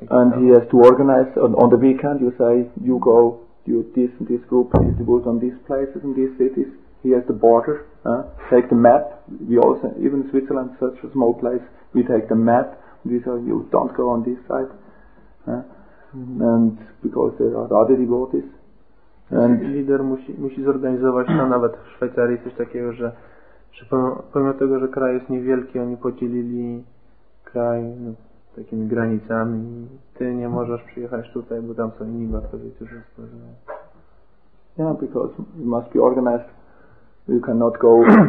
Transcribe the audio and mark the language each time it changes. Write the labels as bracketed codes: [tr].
[en] And he has to organize on the weekend. You say you go, you this and this group is devoted on these places and these cities. He has the border. Take the map. We also, even Switzerland, such a small place. We take the map. We say you don't go on this side. And because there are other devotees. And leader [pl] musi zorganizować to, nawet w Szwajcarii coś takiego, że pomimo tego, że kraj jest niewielki, oni podzielili kraj takimi granicami. Ty nie możesz przyjechać tutaj, bo tam są inni baktowie, którzy stworzyli. [en] Yeah, because it must be organized. You cannot go.